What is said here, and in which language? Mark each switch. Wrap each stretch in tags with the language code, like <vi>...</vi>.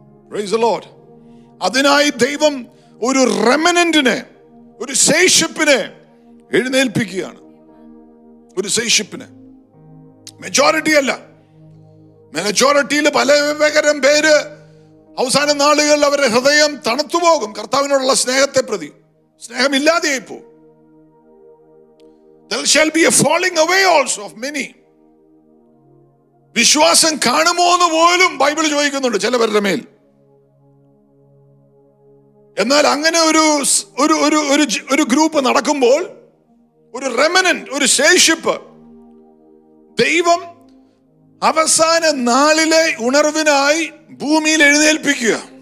<en>Praise the lord.</en> <ml>അതിനായി ദൈവം ഒരു റെമനന്റിനെ, ഒരു ശേഷിപ്പിനെ എഴുന്നേൽപ്പിക്കുകയാണ്. ഒരു സേഷിപ്പിന് മെജോറിറ്റി അല്ല, മെജോറിറ്റിയിൽ പലകരം പേര് അവസാന നാളുകളിൽ അവരുടെ ഹൃദയം തണുത്തുപോകും കർത്താവിനോടുള്ള സ്നേഹത്തെ പ്രതി. സ്നേഹമില്ലാതെയായി പോകും.</ml> <en>There shall be a falling away also of many.</en> <ml>വിശ്വാസം കാണുമോ എന്ന് പോലും ബൈബിൾ ചോദിക്കുന്നുണ്ട് ചിലവരുടെ മേൽ. എന്നാൽ അങ്ങനെ ഒരു ഒരു ഒരു ഒരു ഗ്രൂപ്പ് നടക്കുമ്പോൾ, ഒരു റെമനന്റ്, ഒരു ശേഷിപ്പ്, ദൈവം അവസാന നാളിലെ ഉണർവിനായി ഭൂമിയിൽ എഴുന്നേൽപ്പിക്കുക.</ml>